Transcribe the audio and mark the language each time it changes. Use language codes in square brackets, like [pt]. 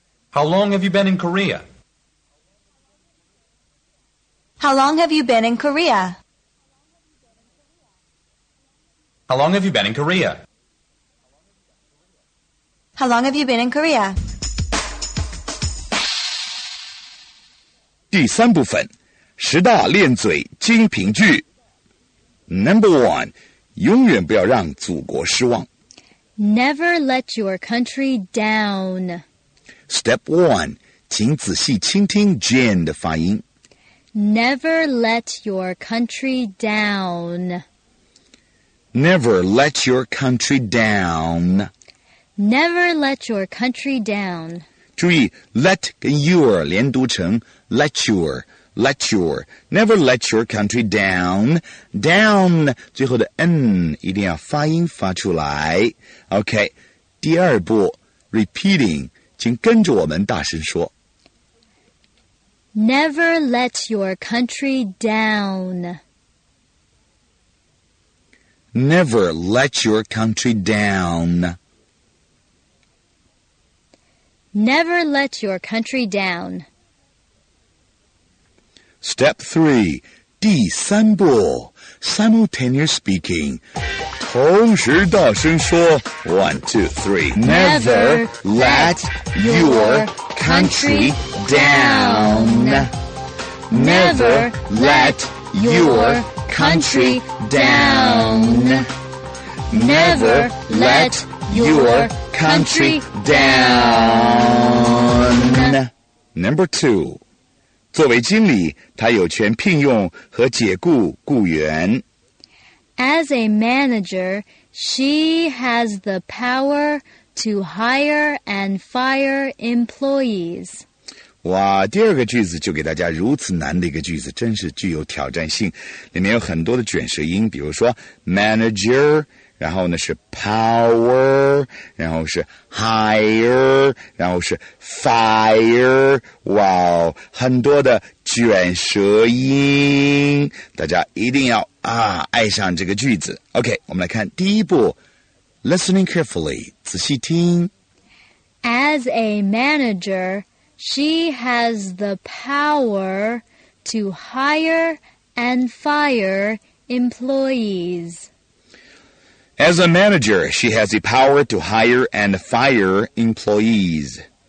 [en] How long have you been in Korea? How long have you been in Korea? How long have you been in Korea? How long have you been in Korea? [zh] 第三部分，十大练嘴精品句。 [en] Number one, [zh] 永远不要让祖国失望。 [en] Never let your country down. Step one, [zh] 请仔细倾听 Jane 的发音。 [en] Never let your country down. Never let your country down. Never let your country down. [zh] 注意 let 跟 your 连读成 [en] Let your, let your, never let your country down, down, [zh] 最后的 N 一定要发音发出来。 OK, 第二步 repeating, 请跟着我们大声说。 [en] Never let your country down. Never let your country down. Never let your country down. Step 3, [zh] 第三步 [en] simultaneous speaking, [zh] 同时大声说 1, 2, 3, [en] never let your country down, never let your country down, never let your country down. Number 2. [zh] 作为经理，他有权聘用和解雇雇员。 [en] As a manager, she has the power to hire and fire employees. [zh] 哇，第二个句子就给大家如此难的一个句子，真是具有挑战性。里面有很多的卷舌音，比如说 manager, 然后呢是 power, 然后是 hire, 然后是 fire, 哇、wow, 很多的卷舌音，大家一定要啊爱上这个句子。 OK, 我们来看第一步 , [en] listening carefully, [zh] 仔细听。 [en] As a manager, she has the power to hire and fire employees. As a manager, she has the power to hire and fire employees.